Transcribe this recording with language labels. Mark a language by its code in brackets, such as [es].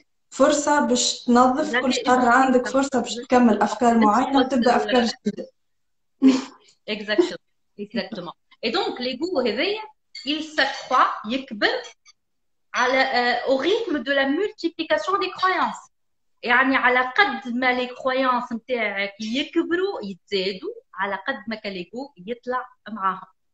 [ar] فرصة باش تنظف، كل شهر عندك فرصة باش تكمل أفكار معينة وتبدأ أفكار جديدة. [fr] Exactement. Et donc, l'ego, il s'accroît, يكبر au rythme de la multiplication des croyances. [ar] يعني على قد ما les croyances نتاعك يكبروا يتزادوا، على قد ما l'ego يطلع معاهم.